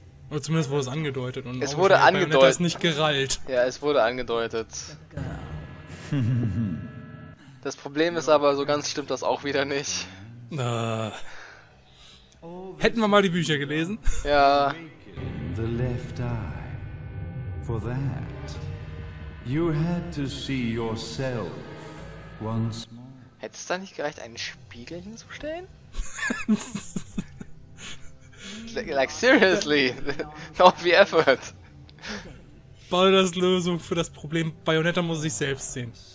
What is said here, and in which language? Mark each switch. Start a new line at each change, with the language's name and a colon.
German: Oder zumindest wurde es angedeutet. Und es wurde angedeutet. Ist nicht gerallt. Ja, es wurde angedeutet. Das Problem ist aber, so ganz stimmt das auch wieder nicht. Na. Hätten wir mal die Bücher gelesen? Ja.
English: The left eye. For that, you had to see yourself once more.
German: Hätte es da nicht gereicht, einen Spiegel hinzustellen?
English: Like seriously, not the effort.
German: Baldas Lösung für das Problem, Bayonetta muss sich selbst sehen.